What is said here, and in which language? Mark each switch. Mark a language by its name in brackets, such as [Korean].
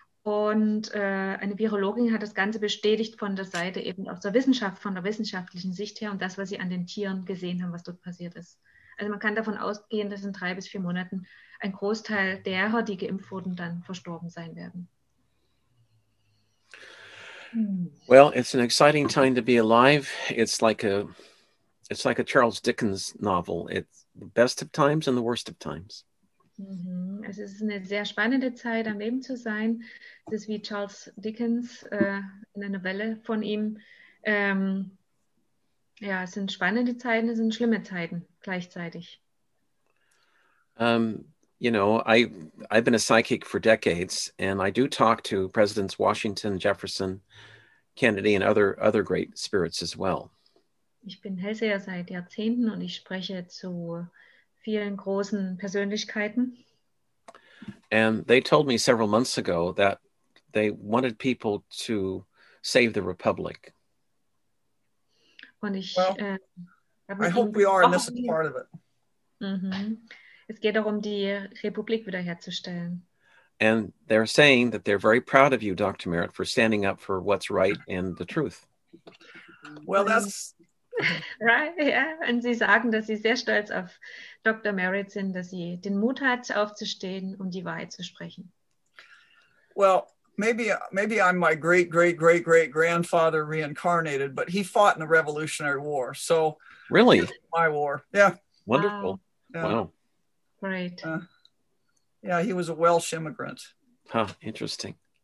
[German] Und eine Virologin hat das Ganze bestätigt von der Seite eben aus der Wissenschaft, von der wissenschaftlichen Sicht her und das, was sie an den Tieren gesehen haben, was dort passiert ist. Also man kann davon ausgehen, dass in 3 bis 4 Monaten ein Großteil derer, die geimpft wurden, dann verstorben sein werden. [English] Well, it's an exciting time to be alive. It's like a Charles Dickens novel. It's the best of times and the worst of times. [German] Also es ist eine sehr spannende Zeit, am Leben zu sein. Es ist wie Charles Dickens in einer Novelle von ihm. Ja, es sind spannende Zeiten, es sind schlimme Zeiten gleichzeitig. [English] You know, I've been a psychic for decades, and I do talk to Presidents Washington, Jefferson, Kennedy and other great spirits as well. [German] Ich bin Hellseher seit Jahrzehnten und ich spreche zu vielen großen Persönlichkeiten. [English] And they told me several months ago that they wanted people to save the Republic. [German] Und ich, [English] well, I hope we are, and this is part of it. [German] Mm-hmm. Es geht darum, die Republik wiederherzustellen. [English] And they're saying that they're very proud of you, Dr. Merritt, for standing up for what's right and the truth. Well, that's... Right, ja. Yeah. [German] Und sie sagen, dass sie sehr stolz auf Dr. Merritt sind, dass sie den Mut hat, aufzustehen, um die Wahrheit zu sprechen. [English] Well, maybe I'm my great-great-great-great-grandfather reincarnated, but he fought in the Revolutionary War, so... Really? My war, yeah. Wonderful. Yeah. Wow. Great. Yeah, he was a Welsh immigrant. Huh, interesting.